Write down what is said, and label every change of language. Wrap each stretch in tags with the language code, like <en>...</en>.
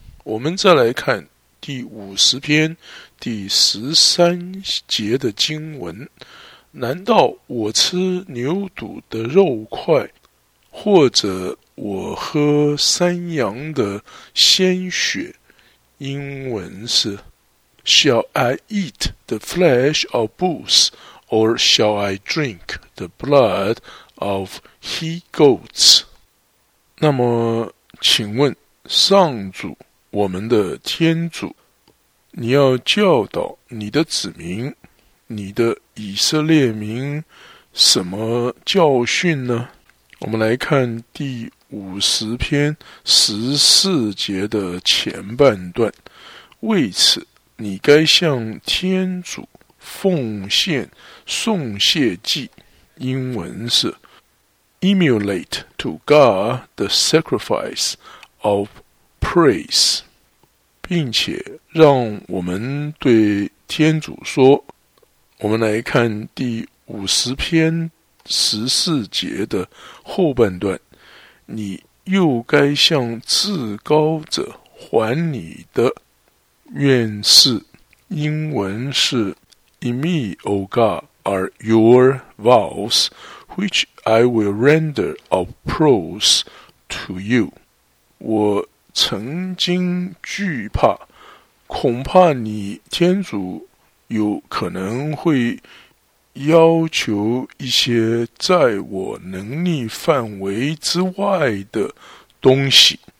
<zh>我们再来看第50篇第13节的经文，难道我吃牛犊的肉块，或者我喝山羊的鲜血？英文是</zh> <en>Shall I eat the flesh of bulls, or shall I drink the blood of he goats?</en> <zh>那么请问上主，我们的天主，你要教导你的子民，你的以色列民什么教训呢？我们来看第50篇14节的前半段，为此你该向天主奉献颂谢祭，英文是</zh> <en>Emulate to God the sacrifice of praise，</en> <zh>并且让我们对天主说。我们来看第50篇14节的后半段，你又该向至高者还你的愿是，英文是</zh> <en>In me, O God, are your vows, which I will render of praise to you.</en> <zh>我曾经惧怕，恐怕你天主有可能会要求一些在我能力范围之外的东西。</zh>